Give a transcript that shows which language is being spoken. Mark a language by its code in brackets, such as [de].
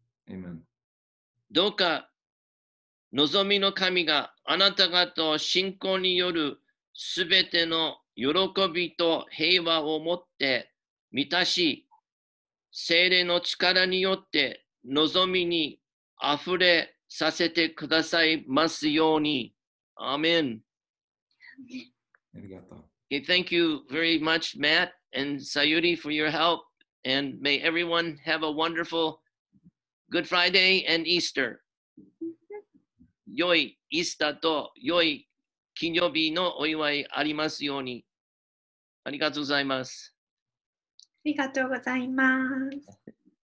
[en] Amen. [ja] どうか望みの神があなた方を信仰によるすべての喜びと平和をもって満たし、聖霊の力によって望みにあふれさせてくださいますように。 [en] Amen. Okay, thank you very much, Matt and Sayuri, for your help. And may everyone have a wonderful Good Friday and Easter. [ja] 良いイースターと良い金曜日のお祝いありますように。ありがとうございます。ありがとうございます。